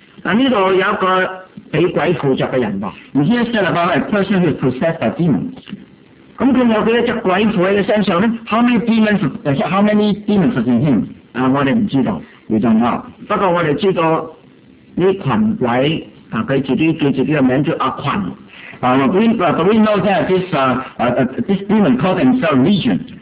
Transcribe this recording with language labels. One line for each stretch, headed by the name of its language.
Cantonese: 呢度有一個俾鬼附著嘅人噃。
English: Here is said about a person who is possessed by demons。
Cantonese: 咁佢有幾多隻鬼附喺佢身上咧
English: ？How many demons is in him？
Cantonese: 我哋唔知道。
English: We don't know。
Cantonese: 不過我哋知道呢羣鬼佢自己叫自己嘅名叫阿羣。
English: But we know that this demon called himself Legion.